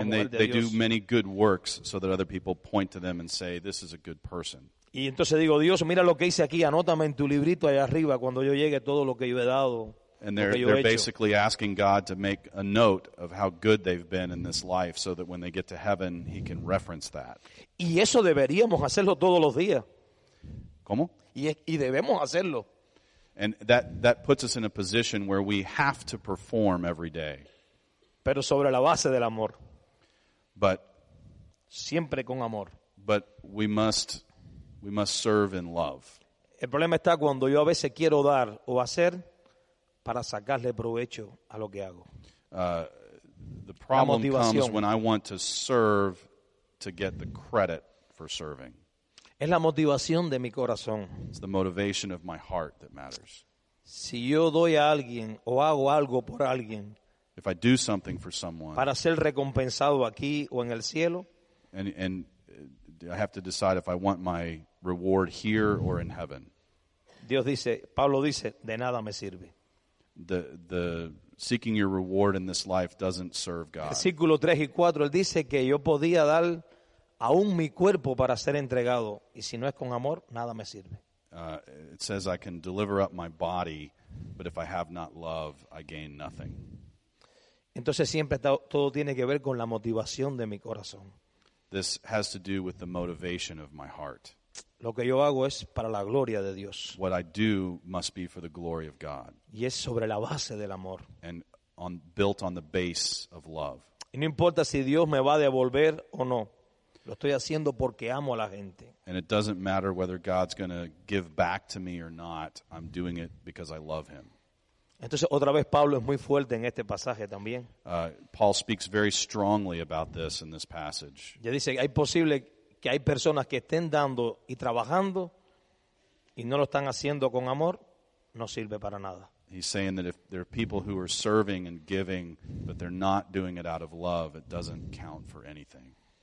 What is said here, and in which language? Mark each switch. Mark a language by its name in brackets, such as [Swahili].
[English] and [Spanish] mujer [English] they, [Spanish] de Dios. [English] And they do many good works so that other people point to them and say, this is a good person. [Spanish] Y entonces digo, Dios, mira lo que hice aquí, anótame en tu librito allá arriba cuando yo llegue todo lo que yo he dado. [English] And they're basically asking God to make a note of how good they've been in this life so that when they get to heaven, he can reference that. [Spanish] Y eso deberíamos hacerlo todos los días. ¿Cómo? Y debemos hacerlo. [English] And that puts us in a position where we have to perform every day. [Spanish] Pero sobre la base del amor. [English] But [Spanish] siempre con amor. [English] But we must serve in love. [Spanish] El problema está cuando yo a veces quiero dar o hacer para sacarle provecho a lo que hago. [English] The problem comes when I want to serve to get the credit for serving. [Spanish] Es la motivación de mi corazón. [English] It's the motivation of my heart that matters. [Spanish] Si yo doy a alguien o hago algo por alguien, [English] if I do something for someone, [Spanish] para ser recompensado aquí o en el cielo, [English] and I have to decide if I want my reward here or in heaven. [Spanish] Dios dice, Pablo dice, de nada me sirve. [English] The seeking your reward in this life doesn't serve God. [Spanish] Versículo 3 y 4, él dice que yo podía dar aún mi cuerpo para ser entregado, y si no es con amor, nada me sirve. [English] It says I can deliver up my body, but if I have not love, I gain nothing. [Spanish] Entonces siempre todo tiene que ver con la motivación de mi corazón. [English] This has to do with the motivation of my heart. [Spanish] Lo que yo hago es para la gloria de Dios. [English] What I do must be for the glory of God. [Spanish] Y es sobre la base del amor. [English] And built on the base of love. [Spanish] Y no importa si Dios me va a devolver o no. Lo estoy haciendo porque amo a la gente. [English] And it doesn't matter whether God's going to give back to me or not. I'm doing it because I love him. [Spanish] Entonces, otra vez, Pablo es muy fuerte en este pasaje también. [English] Paul speaks very strongly about this in this passage. [Spanish] Ya dice, hay posible que hay personas que estén dando y trabajando y no lo están haciendo con amor, no sirve para nada. [English] He's saying that if there are people who are serving and giving, but they're not doing it out of love, it doesn't count for anything.